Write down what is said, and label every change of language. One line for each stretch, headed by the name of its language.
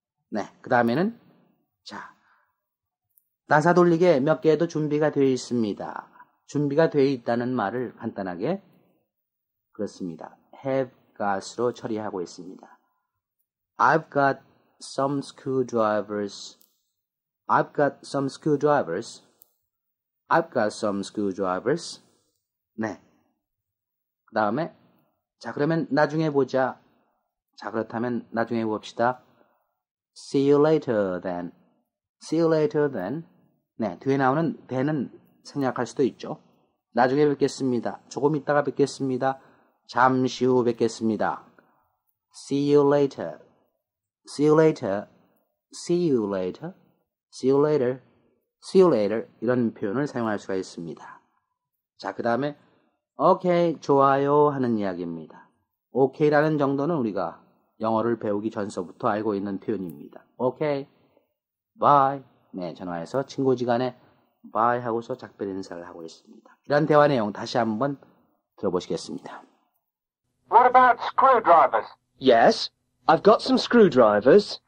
Korean: 네, 그 다음에는 자 나사 돌리게 몇 개도 준비가 되어 있습니다. 준비가 되어 있다는 말을 간단하게 그렇습니다. Have got으로 처리하고 있습니다.
English: I've got some screwdrivers. I've got some screwdrivers. I've got some screwdrivers.
Korean: 네. 그 다음에 자 그러면 나중에 보자. 자 그렇다면 나중에 봅시다.
English: See you later then. See you later then.
Korean: 네, 뒤에 나오는 then은 생략할 수도 있죠. 나중에 뵙겠습니다. 조금 이따가 뵙겠습니다. 잠시 후 뵙겠습니다.
English: See you later. See you later. See you later. See you later. See you later.
Korean: 이런 표현을 사용할 수가 있습니다. 자, 그 다음에 Okay, 좋아요 하는 이야기입니다. Okay라는 정도는 우리가 영어를 배우기 전서부터 알고 있는 표현입니다.
English: Okay, bye.
Korean: 네, 전화해서 친구지간에 bye 하고서 작별 인사를 하고 있습니다. 이런 대화 내용 다시 한번 들어보시겠습니다.
English: What about screwdrivers? Yes, I've got some screwdrivers.